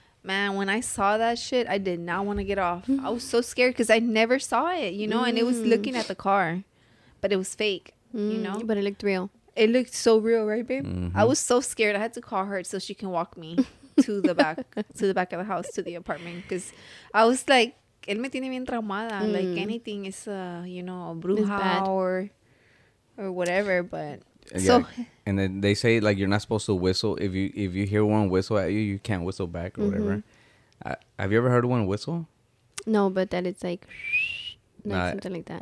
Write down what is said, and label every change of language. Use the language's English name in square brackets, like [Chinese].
[English] Man, when I saw that shit, I did not want to get off. I was so scared because I never saw it, you know, and it was looking at the car. But it was fake, you know? But it looked real. It looked so real, right, babe? Mm-hmm. I was so scared. I had to call her so she can walk me to the back of the house, to the apartment. Because I was like, [Spanish] él me tiene bien traumada. Mm. [English] Like, anything is, you know, a bruja or whatever. But yeah. So. And then they say, like, you're not supposed to whistle. If you hear one whistle at you, you can't whistle back or whatever. Have you ever heard one whistle? No, but that it's like, something like that.